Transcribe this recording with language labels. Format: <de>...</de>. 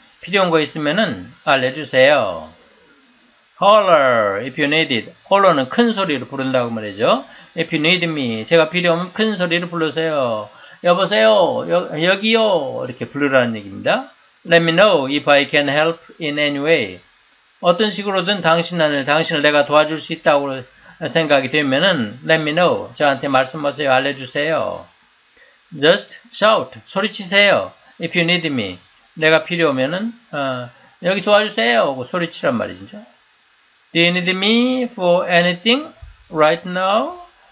<ko>필요한 거 있으면은 알려주세요.</ko> <en>Holler if you need it. Holler는</en> <ko>큰 소리로 부른다고 말이죠.</ko> <en>If you need me,</en> <ko>제가 필요하면 큰 소리로 부르세요. 여보세요, 여기요. 이렇게 부르라는 얘기입니다.</ko> <en>Let me know if I can help in any way.</en> <ko>어떤 식으로든 당신을 내가 도와줄 수 있다고 생각이 되면은</ko> <en>Let me know.</en> <ko>저한테 말씀하세요. 알려주세요.</ko> <en>Just shout.</en> <ko>소리치세요.</ko> <en>If you need me.</en> <ko>내가 필요하면은 여기 도와주세요. 하고 소리치란 말이죠.</ko> <en>Do you need me for anything right now?</en>